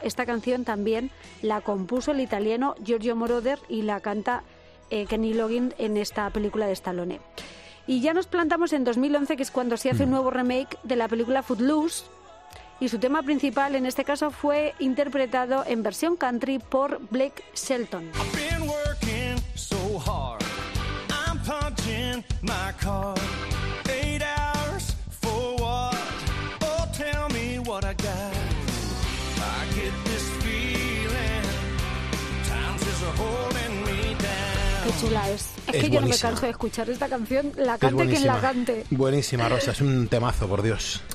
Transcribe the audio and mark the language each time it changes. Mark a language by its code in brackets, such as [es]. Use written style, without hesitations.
[es] Esta canción también la compuso el italiano Giorgio Moroder y la canta Kenny Loggins en esta película de Stallone. Y ya nos plantamos en 2011, que es cuando se hace un nuevo remake de la película Footloose. Y su tema principal, en este caso, fue interpretado en versión country por Blake Shelton. [en] I've been working so hard, I'm punching my card. 8 hours for what? Oh, tell me what I got. I get this feeling, times is holding me down. [es] Qué chula es. Es que buenísima. Yo no me canso de escuchar esta canción, la cante quien la cante. Buenísima, Rosa, es un temazo, por Dios.